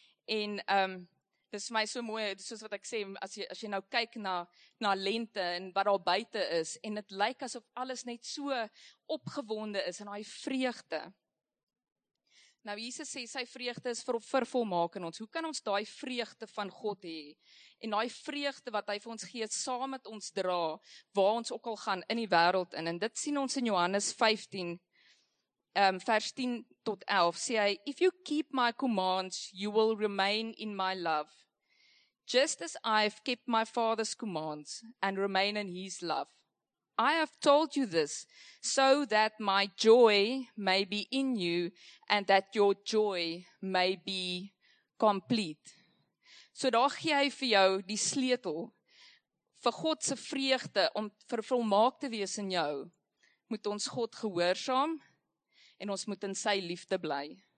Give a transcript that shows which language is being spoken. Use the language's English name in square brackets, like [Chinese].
[Afrikaans] En dis vir my so mooi, soos wat ek sê, as jy nou kyk na lente en wat daar buite is en het lyk asof alles net so opgewonde is in daai vreugde. Nou, Jesus sê sy vreugde is vervolmaak in ons. Hoe kan ons daai vreugde van God hê? En daai vreugde wat hy vir ons gee, saam met ons dra, waar ons ook al gaan in die wêreld in. En dit sien ons in Johannes 15, vers 10 tot 11, sê hy, [English] "If you keep my commands, you will remain in my love. Just as I have kept my father's commands and remain in his love. I have told you this so that my joy may be in you and that your joy may be complete." [Afrikaans] So daar gee hy vir jou die sleutel vir God se vreugde om vervolmaak te wees in jou. Moet ons God gehoorsaam en ons moet in sy liefde bly.